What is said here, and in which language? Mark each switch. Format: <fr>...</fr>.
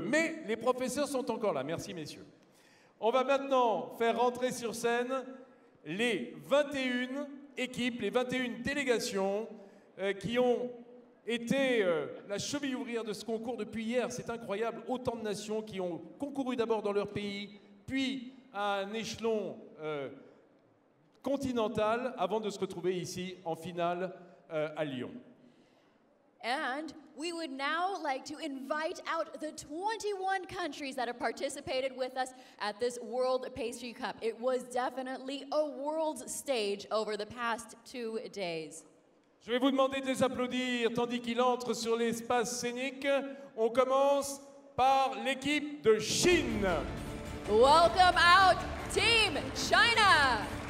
<fr>Mais les professeurs sont encore là. Merci, messieurs. On va maintenant faire rentrer sur scène les 21 équipes, les 21 délégations qui ont été la cheville ouvrière de ce concours depuis hier. C'est incroyable. Autant de nations qui ont concouru d'abord dans leur pays, puis à un échelon continental avant de se retrouver ici en finale à Lyon.</fr> <en>And we would now like to invite out the 21 countries that have participated with us at this World Pastry Cup. It was definitely a world stage over the past 2 days.</en> <fr>Je vais vous demander de les applaudir tandis qu'ils entrent sur l'espace scénique. On commence par l'équipe de Chine.</fr> <en>Welcome out, Team China!</en>